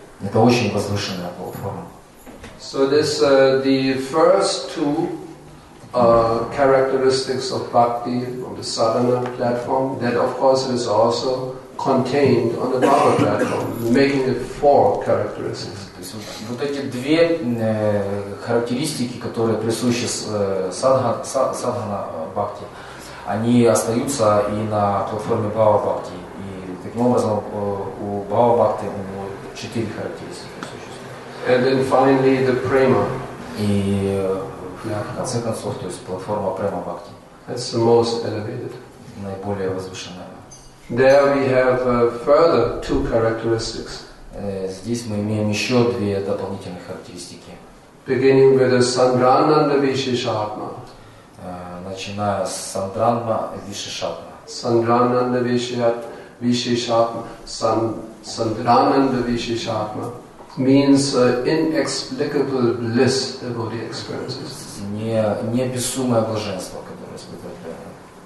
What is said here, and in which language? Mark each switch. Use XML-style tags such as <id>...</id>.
<ru>Это очень возвышенная платформа.</ru> <en>So this the first two characteristics of bhakti on the sadhana platform, that of course is also contained on the Baba platform, making it four characteristics.</en> <ru>То есть вот эти две характеристики, которые присущи садхана бхакти, они остаются и на платформе Баба бхакти. И таким образом у Баба бхакти четыре характеристики присутствуют.</ru> <en>And then finally the prema.</en> <ru>И в конце концов, то есть платформа према бхакти.</ru> <en>That's the most elevated.</en> <ru>Наиболее возвышенная.</ru> <en>There we have further two characteristics.</en> <ru>Здесь мы имеем еще две дополнительные характеристики.</ru> <en>Beginning with the Sandrananda Vishishatma.</en> <ru>Начиная с Sandrananda Vishishatma.</ru> <sa>Sandrananda Vishishatma.</sa> <en>Sandrananda Vishishatma means inexplicable bliss the body experiences.</en> <ru>Неописуемое блаженство, которое испытывает преданный.</ru>